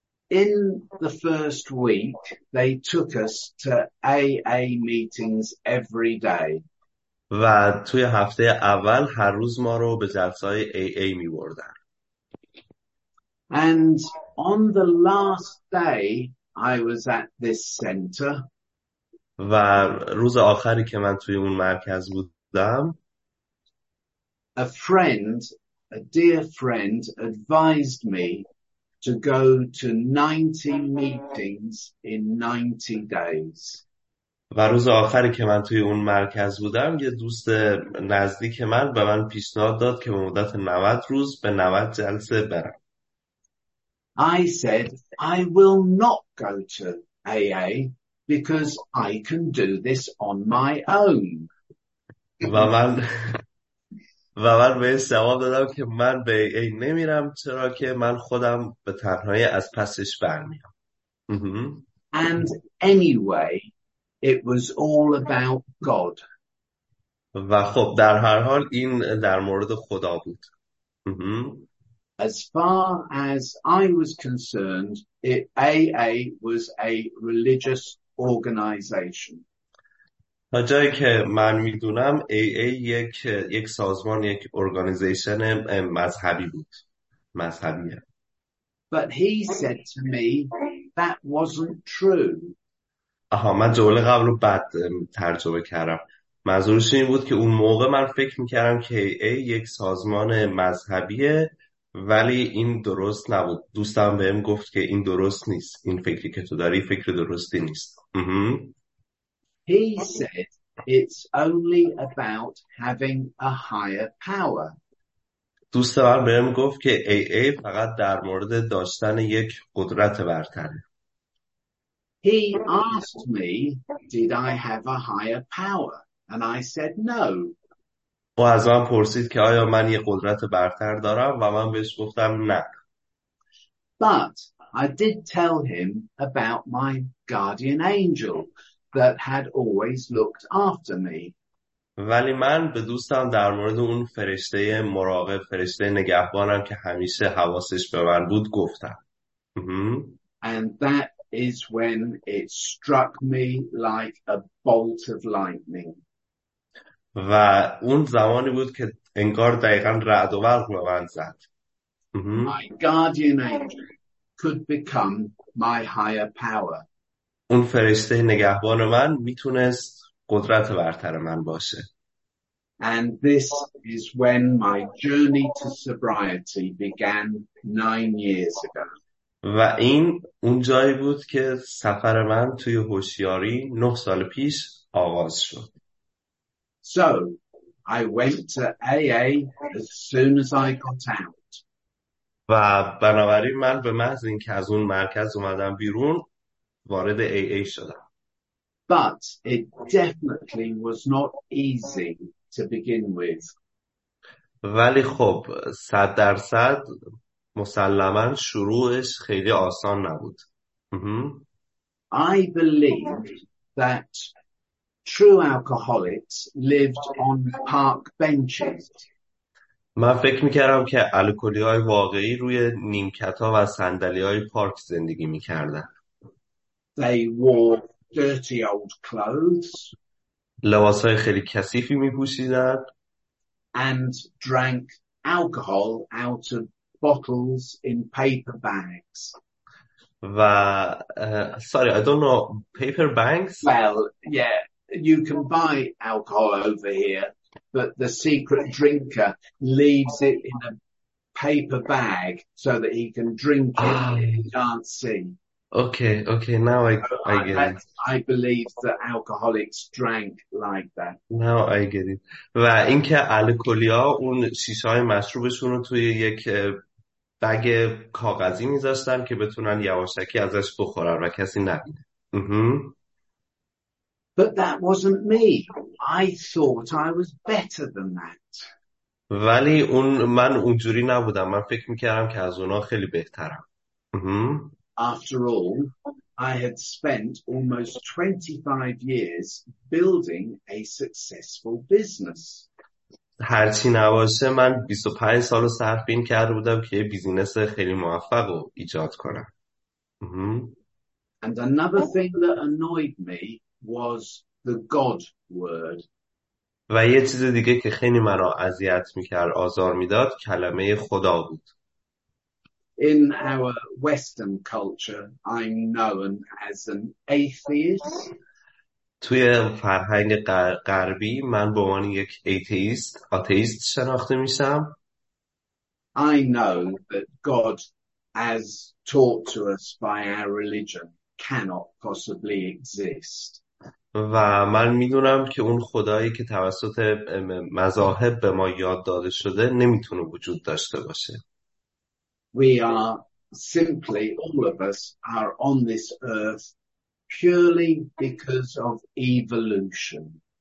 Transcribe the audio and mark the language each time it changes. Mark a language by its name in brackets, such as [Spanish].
[English] In the first week, they took us to AA meetings every day. [Persian] و توی هفته اول هر روز ما رو به جلسه‌های AA می‌بردن. [English] And on the last day I was at this center. [Persian] و روز آخری که من توی اون مرکز بودم، [English] a dear friend advised me to go to 90 meetings in 90 days. [Persian] و روز آخری که من توی اون مرکز بودم یه دوست نزدیک من به من پیشنهاد داد که به مدت 90 روز به 90 جلسه برم. [English] I said I will not go to AA because I can do this on my own. [Persian] و من به جواب دادم که من به AA نمیرم چرا که من خودم به تنهایی از پسش برمیام. [English] And anyway, it was all about God. [Persian] و خب در هر حال این در مورد خدا بود. [English] As far as I was concerned, AA was a religious organization. [Persian] تا جایی که من میدونم AA یک سازمان، یک ارگانیزیشن مذهبی بود. مذهبیه. [English] But he said to me that wasn't true. [Persian] آها، من جمله قبل رو بد ترجمه کردم. منظورش این بود که اون موقع من فکر میکردم که AA یک سازمان مذهبیه، ولی این درست نبود. دوستم بهم گفت که این درست نیست، این فکری که تو داری فکر درستی نیست. [English] He said it's only about having a higher power. [Persian] دوستم بهم گفت که AA فقط در مورد داشتن یک قدرت برتره. [English] He asked me, did I have a higher power? And I said no. [Persian] او از من پرسید که آیا من یه قدرت برتر دارم و من بهش گفتم نه. [English] But I did tell him about my guardian angel that had always looked after me. [Persian] ولی من به دوستم در مورد اون فرشته مراقب، فرشته نگهبانم که همیشه حواسش به من بود گفتم. [English] And that is when it struck me like a bolt of lightning. [Persian] و اون زمانی بود که انگار دقیقاً رعد و برق به من زد. [English] My guardian angel could become my higher power. [Persian] اون فرشته نگهبان من میتونست قدرت برتر من باشه. [English] And this is when my journey to sobriety began 9 years ago. [Persian] و این اون جایی بود که سفر من توی هوشیاری 9 سال پیش آغاز شد. [English] So, I went to AA as soon as I got out. [Persian] و بنابراین من به محض اینکه از اون مرکز اومدم بیرون وارد AA شدم. [English] But it definitely was not easy to begin with. [Persian] ولی خب 100% مسلما شروعش خیلی آسان نبود. [English] I believed that true alcoholics lived on park benches. [Persian] من فکر میکردم که الکلی های واقعی روی نیمکت ها و صندلی های پارک زندگی میکردن. [English] They wore dirty old clothes. [Persian] لباس های خیلی کثیفی میپوشیدن. [English] And drank alcohol out of bottles in paper bags. و sorry, I don't know, paper bags? Well, yeah. You can buy alcohol over here, but the secret drinker leaves it in a paper bag so that he can drink it and he can't see. Okay, now I get it. I believe that alcoholics drank like that. Now I get it. [Persian] و اینکه الکلی‌ها اون شیشه‌های مشروبشون رو توی یک بگ کاغذی می‌ذاشتن که بتونن یواشکی ازش بخورن و کسی نبینه. [English] But that wasn't me. I thought I was better than that. [Persian] ولی اون من اونجوری نبودم. من فکر میکردم که از اونها خیلی بهترم. [English] After all, I had spent almost 25 years building a successful business. [Persian] هرچی نباشه من 25 سال صرف این کرده بودم که یه بیزینس خیلی موفق رو ایجاد کنم. [English] And another thing that annoyed me was the God word. [Persian] و یه چیز دیگه که خیلی مرا اذیت میکرد، آزار میداد، کلمه خدا بود. [English] In our Western culture, I'm known as an atheist. [Persian] توی فرهنگ غربی من به عنوان یک آتئیست شناخته میشم. [English] I know that God, as taught to us by our religion, cannot possibly exist. [Persian] و من میدونم که اون خدایی که توسط مذاهب به ما یاد داده شده نمیتونه وجود داشته باشه. [English] We are simply, all of us are on this earth purely because of evolution.